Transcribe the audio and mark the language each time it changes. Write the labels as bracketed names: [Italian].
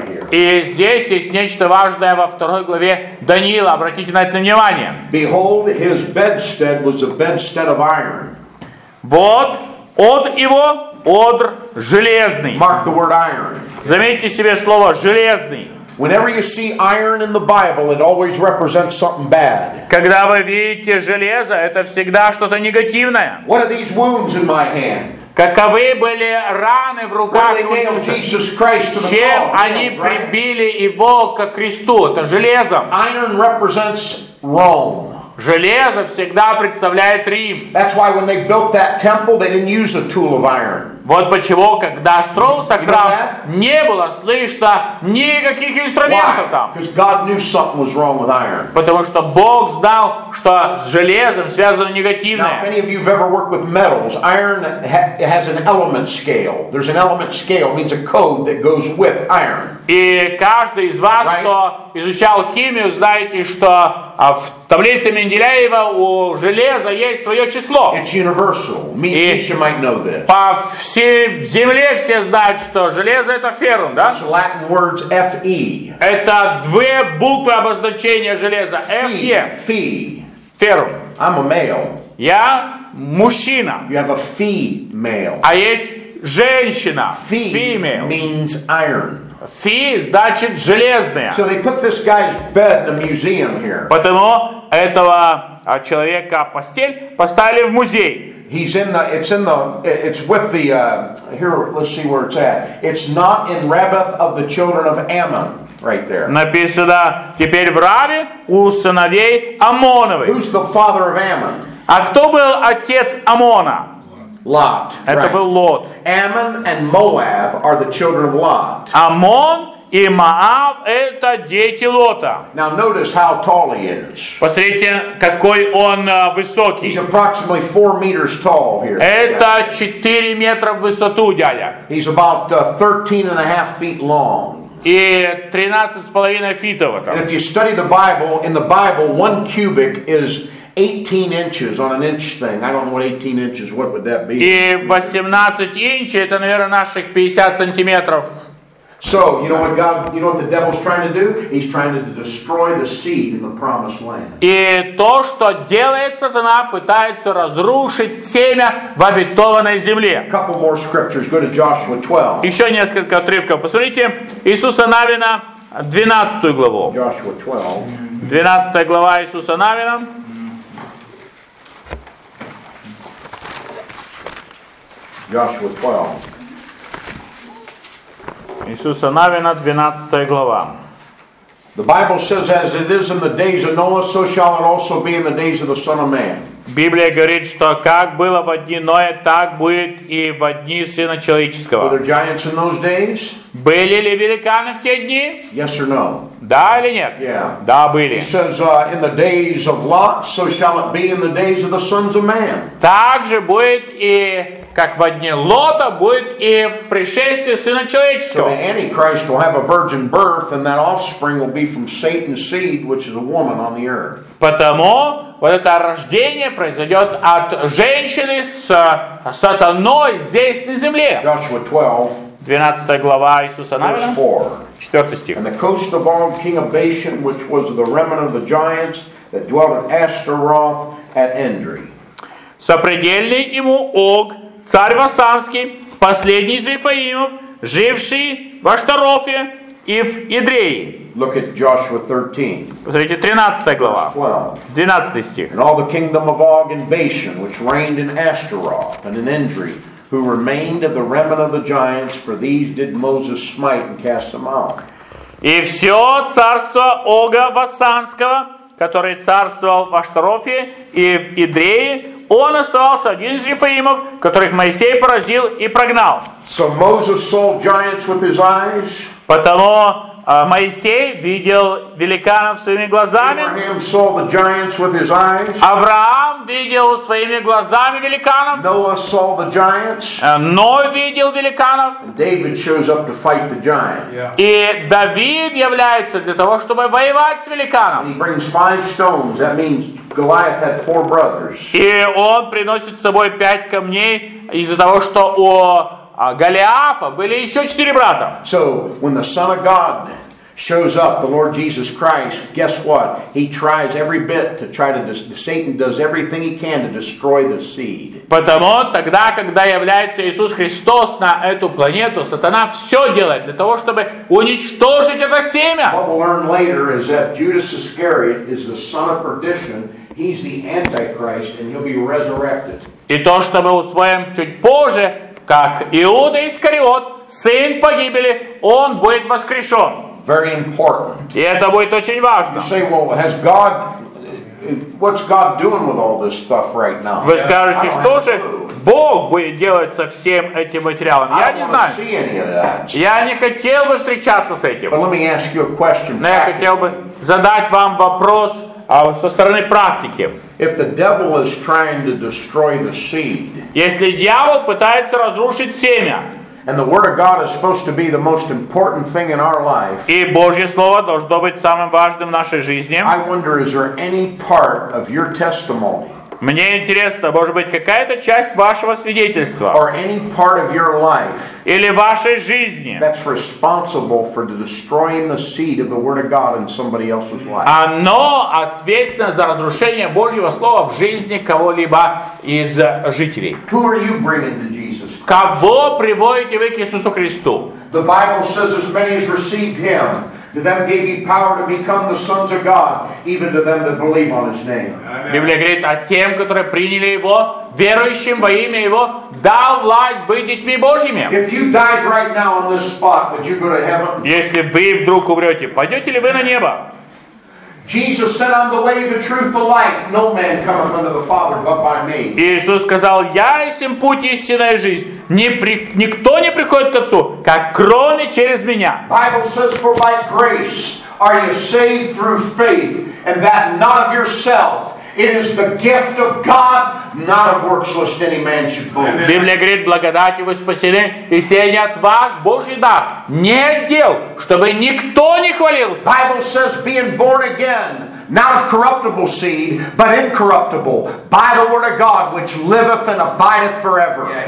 [Russian] И здесь есть нечто важное во второй главе Даниила. Обратите на это внимание. [English] Behold, his bedstead was a bedstead of iron. [Russian] Вот одр его, одр железный. [English] Mark the word iron. [Russian] Заметьте себе слово железный. [English] Whenever you see iron in the Bible, it always represents something bad. [Russian] Когда вы видите железо, это всегда что-то негативное. [English] What are these wounds in my hand? [Russian] Каковы были раны в руках Иисуса? Чем они прибили его к кресту? Это железом. [English] Iron represents Rome. [Russian] Железо всегда представляет Рим. [English] That's why when they built that temple, they didn't use a tool of iron. [Russian] Вот почему, когда строился храм, не было слышно никаких инструментов там. [English] Because God knew something was wrong with iron. [Russian] Потому что Бог знал, что с железом связано негативное. [English] Now, if any of you have ever worked with metals, iron has an element scale. There's an element scale, means a code that goes with iron. [Russian] И каждый из вас, кто изучал химию, знаете, что в таблице Менделеева у железа есть свое число. [English] It's universal. Me and Keisha might know this. [Russian] По всей земле все знают, что железо это феррум, да? [English] It's Latin words Fe. [Russian] Это две буквы обозначения железа. Fe. Fe. Феррум. [English] I'm a male. [Russian] Я мужчина. [English] You have a female. [Russian] А есть женщина. Fe [English] female. Means iron. [Russian] Фи значит железное. [English] So they put this guy's bed in a museum here. [Russian] Потому этого человека постель поставили в музей. [English] He's in the, it's in the, it's with the, here, let's see where it's at. It's not in Rabbath of the children of Ammon, right there. [Russian] Написано теперь в Раве у сыновей Аммоновых. [English] Who's the father of Ammon? [Russian] А кто был отец Аммона? [English] Lot. [Russian] Это [English] right. [Russian] Был Лот. [English] Ammon and Moab are the children of Lot. [Russian] Аммон и Моав это дети Лота. [English] Now notice how tall he is. [Russian] Посмотрите, какой он высокий. [English] He's approximately 4 meters tall here. [Russian] Это 4 метра в высоту, дядя. [English] He's about 13.5 feet long. [Russian] И 13.5 feet вот. [English] And if you study the Bible, in the Bible, one cubic is 18 inches on an inch thing. I don't know what 18 inches. What would that be? [Russian] И 18 инчей это, наверное, наших 50 сантиметров. [English] So you know what God, you know what the devil's trying to do? He's trying to destroy the seed in the promised land. [Russian] И то, что делает сатана, пытается разрушить семя в обетованной земле. [English] A couple more scriptures. Go to Joshua 12. [Russian] Еще несколько отрывков. Посмотрите, Иисуса Навина 12 главу. [English] Joshua 12. [Russian] 12 глава Иисуса Навина. [English] Joshua 12. [Russian] Иисуса Навина, 12 глава. [English] The Bible says, as it is in the days of Noah, so shall it also be in the days of the Son of Man. [Russian] Библия говорит, что как было в дни Ноя, так будет и в дни Сына Человеческого. [English] Were there giants in those days? [Russian] Были ли великаны в те дни? [English] Yes or no? [Russian] Да или нет? [English] Yeah. [Russian] Да, были. [English] He says, in the days of Lot, so shall it be in the days of the sons of man. [Russian] Так же будет и как в дни Лота будет и в пришествии Сына Человеческого. [English] So the Antichrist will have a virgin birth, and that offspring will be from Satan's seed, which is a woman on the earth. [Russian] Потому вот это рождение произойдет от женщины с сатаной здесь на земле. [English] Joshua 12. [Russian] 12 глава Иисуса Навина, 4 стих. [English] And the coast of Og, king of Bashan, which was the remnant of the giants that dwelt at Ashtaroth at Edrei. [Russian] Сопредельный ему Ог, царь Басанский, последний из Рефаимов, живший в Ашторофе и в Идреи. [English] Look at Joshua 13. [Russian] Посмотрите, 13 глава, 12 стих. [English] And all the kingdom of Og and Bashan, which reigned in Ashtaroth and in Edrei, who remained of the remnant of the giants, for these did Moses smite and cast them out. [Russian] И все царство Ога Вассанского, который царствовал в Ашторофе и в Идрее, он оставался один из Рефаимов, которых Моисей поразил и прогнал. [English] So Moses saw giants with his eyes. [Russian] Потому Моисей видел великанов своими глазами. [English] Abraham saw the giants with his eyes. [Russian] Авраам видел своими глазами великанов. [English] Noah saw the giants. [Russian] Ной видел великанов. [English] David shows up to fight the giant. [Russian] И Давид является для того, чтобы воевать с великаном. [English] He brings five stones. That means Goliath had four brothers. [Russian] И он приносит с собой пять камней из-за того, что у Голиафа были еще четыре брата. [English] So when the Son of God shows up, the Lord Jesus Christ, guess what? He tries every bit to try to Satan does everything he can to destroy the seed. [Russian] Потому тогда, когда является Иисус Христос на эту планету, сатана все делает для того, чтобы уничтожить это семя. [English] What we'll learn later is that Judas Iscariot is the son of perdition. He's the Antichrist, and he'll be resurrected. [Russian] И то, что мы усвоим чуть позже. Как Иуда Искариот, сын погибели, он будет воскрешен. [English] Very important. [Russian] И это будет очень важно. [English] You say, well, has God, what's God doing with all this stuff right now? [Russian] Вы скажете, что же Бог будет делать со всем этим материалом? Я не знаю. Я не хотел бы встречаться с этим. [English] But let me ask you a question. [Russian] Но я хотел бы задать вам вопрос. А со стороны практики. [English] If the devil is trying to destroy the seed, [Russian] если дьявол пытается разрушить семя, [English] and the word of God is supposed to be the most important thing in our life, [Russian] и Божье слово должно быть самым важным в нашей жизни, [English] I wonder, is there any part of your testimony? [Russian] Мне интересно, может быть, какая-то часть вашего свидетельства, [English] or any part of your life, [Russian] или вашей жизни, [English] that's responsible for destroying the seed of the Word of God in somebody else's life. [Russian] Оно ответственно за разрушение Божьего слова в жизни кого-либо из жителей. [English] Who are you bringing to Jesus Christ? [Russian] Кого приводите вы к Иисусу Христу? [English] The Bible says, as many as received Him, to them gave He power to become the sons of God, even to them that believe on His name. [Russian] Библия говорит о тем, которые приняли Его, верующим во имя Его, дал власть быть детьми Божьими. [English] If you died right now on this spot, would you go to heaven? [Russian] Если вы вдруг умрете, пойдете ли вы на небо? [English] Jesus said, "I'm the way, the truth, the life. No man cometh unto the Father but by me." [Russian] Иисус сказал, я есть путь, истинная жизнь. Никто не приходит к Отцу, как кроме через меня. [English] Bible says, "For by grace are you saved through faith, and that not of yourself. It is the gift of God, not of works, lest any man should boast." [Russian] Библия говорит, благодатью вы спасены, и сие не от вас, Божий дар, не от дел, чтобы никто не хвалился. [English] Bible says, being born again, not of corruptible seed, but incorruptible, by the word of God, which liveth and abideth forever.